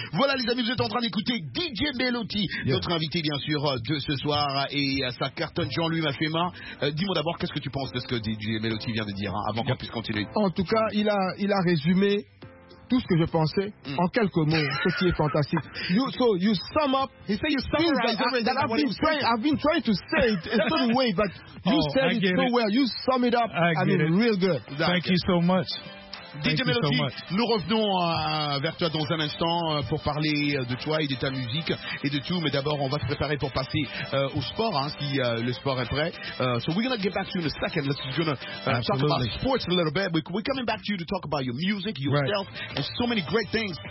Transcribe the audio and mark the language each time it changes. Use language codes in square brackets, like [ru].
[fr] Voilà, les amis, vous êtes en train d'écouter DJ Melody, notre invité, bien sûr, de ce soir. Et sa cartonne, Jean-Louis Maffema. Dis-moi d'abord, qu'est-ce que tu penses de ce que DJ Melody vient de dire, hein, avant qu'on puisse continuer. En tout cas, il a résumé tout ce que je pensais en quelques mots, ce qui est fantastique. [en] You sum up. He said you summarize everything. I've been trying to say it in a certain way, but you said it so well. You sum it up. Real good. Thank you so much. [fr] DJ Melody, nous revenons vers toi dans un instant pour parler de toi et de ta musique et de tout. Mais d'abord, on va se préparer pour passer au sport, hein, si le sport est prêt. [en] So we're going to get back to you in a second. Let's going to talk about sports a little bit. We're coming back to you to talk about your music, yourself, and so many great things.